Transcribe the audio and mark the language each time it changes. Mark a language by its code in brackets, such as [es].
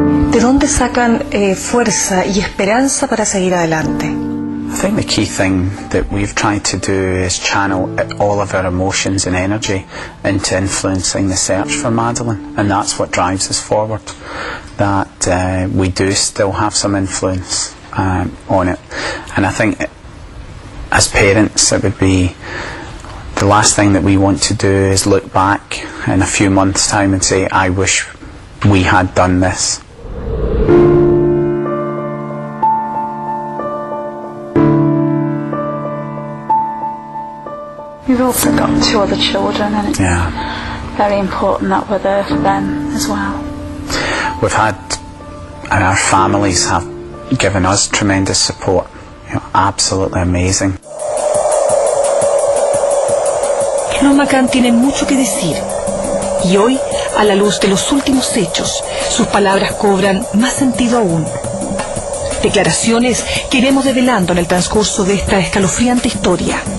[es] ¿De dónde sacan fuerza y esperanza para seguir adelante? [en] I think the key thing that we've tried to do is channel all of our emotions and energy into influencing the search for Madeleine, and that's what drives us forward. That we do still have some influence on it, and I think as parents, it would be the last thing that we want to do is look back in a few months' time and say, "I wish we had done this." We've also got 2 other children, and it's very important that we're there for them as well. We've had, and our families have given us tremendous support. You know, absolutely amazing. [es] Los McCann tienen mucho que decir, y hoy, a la luz de los últimos hechos, sus palabras cobran más sentido aún. Declaraciones que iremos develando en el transcurso de esta escalofriante historia.